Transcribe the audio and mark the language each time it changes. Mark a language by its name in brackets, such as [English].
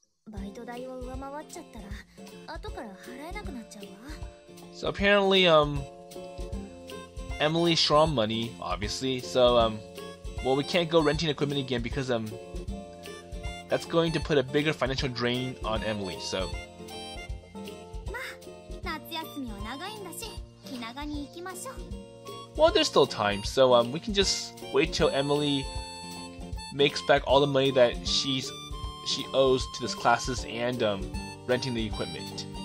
[Japanese] バイト代を上回っちゃったら後から払えなくなっちゃうわ。 [English] So apparently, Emily shrunk money, obviously. So, well, we can't go renting equipment again because, that's going to put a bigger financial drain on Emily, so. [Japanese] まあ、夏休みは長いんだし、気長に行きましょう。 [English] Well, there's still time, so we can just wait till Emily makes back all the money that she owes to this classes and renting the equipment.